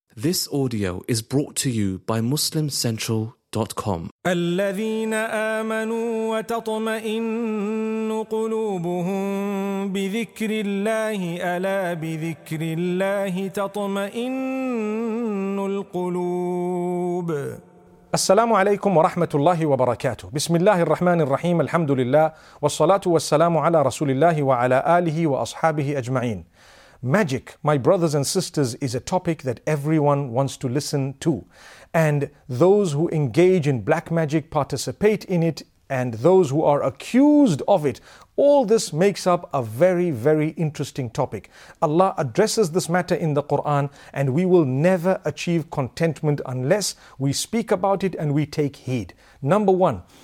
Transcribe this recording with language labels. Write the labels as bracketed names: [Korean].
[English] This audio is brought to you by MuslimCentral.com. [Arabic] الذين آمنوا وتطمئن قلوبهم بذكر الله ألا بذكر الله تطمئن القلوب. السلام عليكم ورحمة الله وبركاته. بسم الله الرحمن الرحيم. الحمد لله والصلاة والسلام على رسول الله وعلى آله وأصحابه أجمعين. [English] Magic, my brothers and sisters, is a topic that everyone wants to listen to. And those who engage in black magic participate in it, and those who are accused of it. All this makes up a very, very interesting topic. Allah addresses this matter in the Quran, and we will never achieve contentment unless we speak about it and we take heed. Number one.